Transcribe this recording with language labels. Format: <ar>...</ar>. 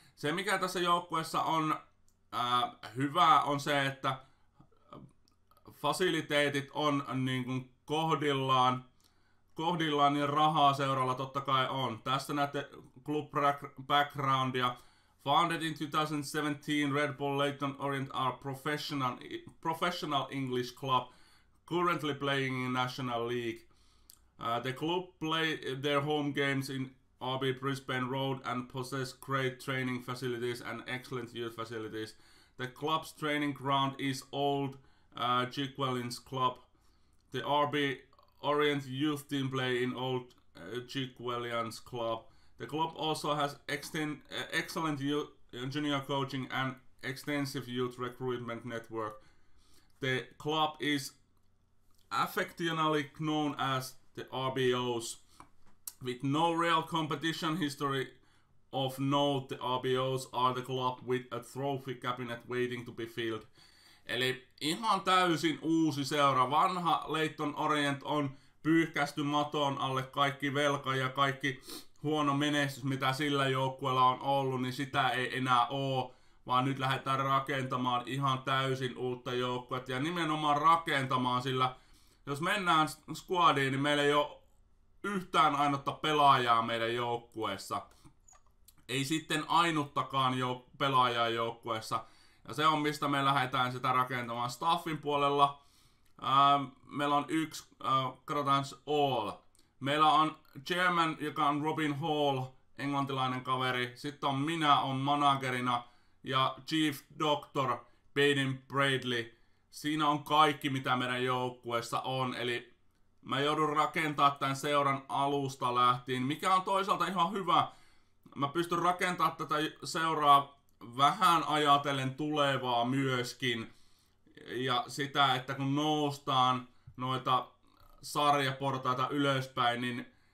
<fi>Se, mikä tässä joukkueessa on hyvää, on se, että fasiliteetit on niin kuin kohdillaan, ja rahaa seuralla totta kai on. Tässä näette club backgroundia.</fi> <en>Founded in 2017, Red Bull Leyton Orient are professional English club, currently playing in National League. The club play their home games in RB Brisbane Road and possess great training facilities and excellent youth facilities. The club's training ground is old Chickwellins Club. The RB Orient youth team play in old Chickwellins Club. The club also has excellent junior coaching and extensive youth recruitment network. The club is affectionately known as the RBOs. With no real competition history of note, the RBOs are the club with a trophy cabinet waiting to be filled.</en> <fi>Eli ihan täysin uusi seura. Vanha Leyton Orient on pyyhkästy maton alle kaikki velka ja kaikki huono menestys, mitä sillä joukkueella on ollut, niin sitä ei enää ole. Vaan nyt lähdetään rakentamaan ihan täysin uutta joukkuetta ja nimenomaan rakentamaan, sillä jos mennään squadiin, niin meillä ei ole yhtään ainutta pelaajaa meidän joukkueessa. Ei sitten ainuttakaan pelaajaa joukkueessa. Ja se on, mistä me lähdetään sitä rakentamaan. Staffin puolella meillä on yksi Kratans All. Meillä on chairman, joka on Robin Hall, englantilainen kaveri. Sitten on minä, on managerina. Ja chief doctor, Baden Bradley. Siinä on kaikki, mitä meidän joukkueessa on. Eli mä joudun rakentamaan tämän seuran alusta lähtien, mikä on toisaalta ihan hyvä. Mä pystyn rakentamaan tätä seuraa vähän ajatellen tulevaa myöskin. Ja sitä, että kun noustaan noita sarjaportaita ylöspäin, niin</fi>